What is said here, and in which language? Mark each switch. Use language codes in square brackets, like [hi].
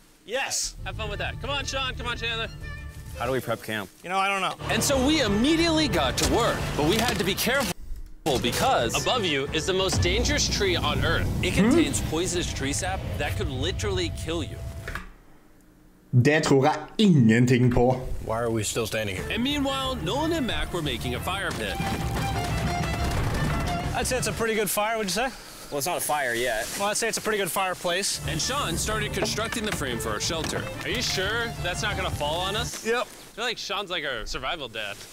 [en] Yes! Have fun with that. Come on, Sean. Come on, Chandler. How do we prep camp? You know, I don't know. And so we immediately got to work. But we had to be careful because above you is the most dangerous tree on Earth. It contains poisonous tree sap that could literally kill you. [no] Det tror jeg ingenting på. [en] Why are we still standing here? And meanwhile, Nolan and Mac were making a fire pit. I'd say it's a pretty good fire, would you say? Well, it's not a fire yet. Well, I'd say it's a pretty good fireplace. And Sean started constructing the frame for our shelter. Are you sure that's not gonna fall on us? Yep. I feel like Sean's like our survival dad.